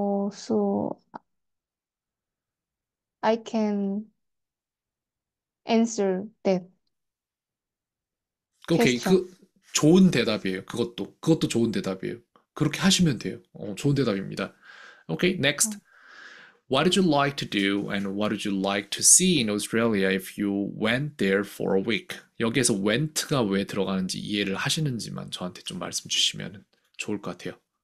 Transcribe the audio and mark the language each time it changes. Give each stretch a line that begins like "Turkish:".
English: So I can answer that Okay, question.
Korean: 그 좋은 대답이에요. 그것도 좋은 대답이에요. 그렇게 하시면 돼요. 좋은 대답입니다.
English: Okay, next. What would you like to do and what would you like to see in Australia if you went there for a week?
Korean: 여기에서 went가 왜 들어가는지 이해를 하시는지만 저한테 좀 말씀 주시면 좋을 것 같아요.